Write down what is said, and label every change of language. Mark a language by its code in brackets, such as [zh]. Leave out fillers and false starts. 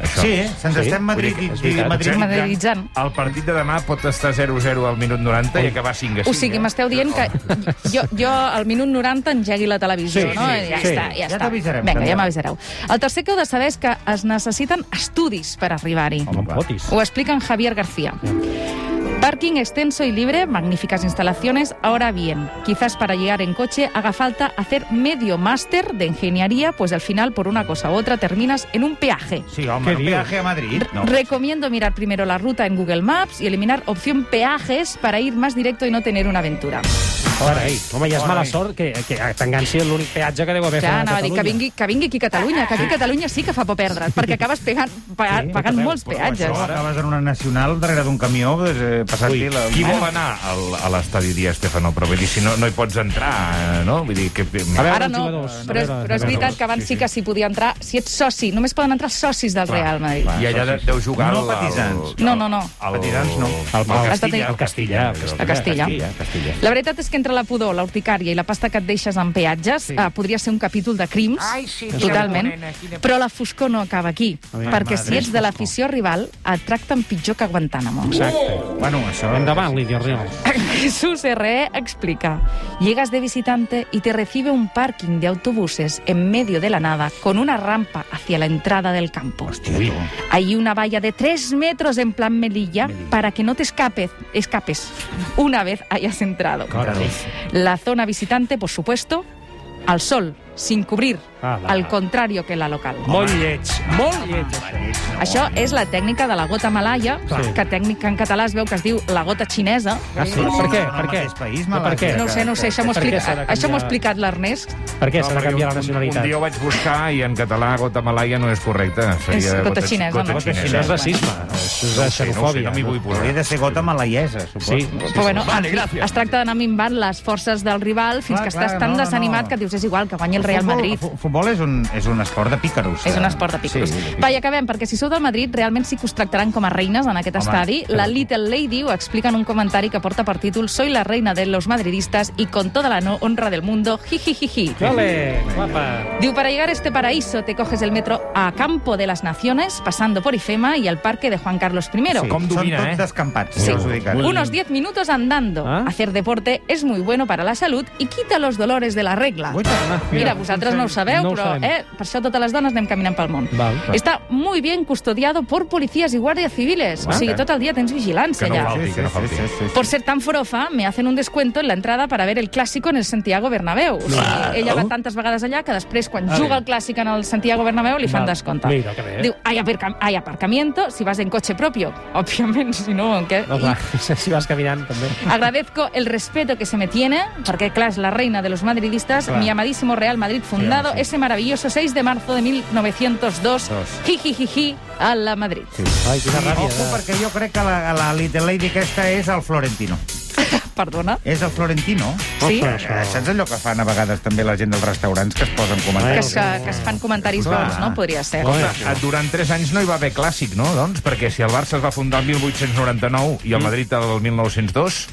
[ca] Sí, se'ns estem madriditzant. El partit de demà pot estar 0-0 al minut 90 i acabar 5-5. O sigui, m'esteu dient que jo al minut 90 engegui la televisió, no? Ja està. Vinga, ja m'avisareu. El tercer que heu de saber és que es necessiten estudis per arribar-hi. Ho explica en Javier García. [es] Parking extenso y libre, magníficas instalaciones. Ahora bien, quizás para llegar en coche haga falta hacer medio máster de ingeniería, pues al final, por una cosa u otra, terminas en un peaje. Sí, hombre, un peaje a Madrid. Recomiendo mirar primero la ruta en Google Maps y eliminar opción peajes para ir más directo y no tener una aventura. [ca] Ara, ei, home, ja és mala sort que t'enganxi l'únic peatge que deu haver fet a Catalunya. Ja, anava a dir que vingui aquí a Catalunya, que aquí a Catalunya sí que fa por perdre't, perquè acabes pagant molts peatges. Això, acabes en una nacional darrere d'un camió, passant-hi... Qui vol anar a l'estadi Di Stéfano? Però vull dir, si no hi pots entrar, no? Vull dir que... Ara no, però és veritat que abans sí que s'hi podia entrar. Si ets soci, només poden entrar socis del Real Madrid. I allà deu jugar... No patisans. No. Patisans no. El Castilla. A Castilla. La veritat és que entre la pudor, l'urticària i la pasta que et deixes en peatges, sí, podria ser un capítol de crims. Ai, sí, totalment. Morena, però la foscor no acaba aquí. Perquè si ets de l'afició rival, et tracten pitjor que Guantánamo. Bueno, això... Endavant, Lídia Real. Jesús R.E. explica. [es] Llegas de visitante y te recibe un parking de autobuses en medio de la nada con una rampa hacia la entrada del campo. Hostia, hay una valla de 3 metros en plan Melilla para que no te escapes una vez hayas entrado. La zona visitante, por supuesto, al sol, sin cubrir, al contrario que la local. [ca] Molt lleig, molt lleig. Això és la tècnica de la gota malaia, que tècnica en català es veu que es diu la gota xinesa. Ah, sí? Per què? Per què? Per què? No ho sé, això m'ho explicat l'Ernest. Per què s'ha de canviar la nacionalitat? Un dia ho vaig buscar i en català gota malaia no és correcte. És gota xinesa, no? Gota xinesa. És racisme, és xenofòbia. No m'hi vull posar. Hauria de ser gota malaiesa, suposo. Sí. Però bé, es tracta d'anar minvant les forces del rival fins que estàs tan desanimat que dius, és igual, que guanyi el Real Madrid. Futbol és un esport de pícaros. És un esport de pícaros. Sí, va, i acabem, perquè si sou del Madrid, realment sí que us tractaran com a reines en aquest estadi. La Little Lady ho explica en un comentari que porta per títol [es] Soy la reina de los madridistas y con toda la honra del mundo, jijijiji. Jole, guapa. Diu, para llegar a este paraíso, te coges el metro a Campo de las Naciones, pasando por IFEMA y al Parque de Juan Carlos I. [ca] Sí, com domina, són tots descampats. [es] Sí. Unos 10 minutos andando. ¿Ah? Hacer deporte es muy bueno para la salud y quita los dolores de la regla. [ca] Mira, vosaltres no ho sabeu, no però per això totes les dones anem caminant pel món. Val. [es] Está muy bien custodiado por policías y guardias civiles. [ca] Val. O sigui, tot el dia tens vigilància allà. [es] Por ser tan forofa, me hacen un descuento en la entrada para ver el clásico en el Santiago Bernabéu. [ca] O sigui, ella va tantes vegades allà que després, quan juga el clàssic en el Santiago Bernabéu, li fan descompte. [es] Diu, hay aparcamiento si vas en coche propio. [ca] Òbviament, si no, en què? Si vas caminant, també. [es] Agradezco el respeto que se me tiene, [ca] perquè, clar, és la [es] reina de los madridistas, mi amadísimo Real Madrid fundado ese maravilloso 6 de marzo de 1902. Jijijiji. A la Madrid. [ca] Sí. Ai, quina ràbia. Ojo, perquè jo crec que la Little Lady aquesta és el Florentino. Perdona? És el Florentino. Sí? Saps allò que fan a vegades també la gent dels restaurants que es posen comentaris? Que es fan comentaris bons, no? Podria ser. Ostres, durant 3 anys no hi va haver clàssic, no? Doncs, perquè si el Barça es va fundar el 1899 i el Madrid el 1902...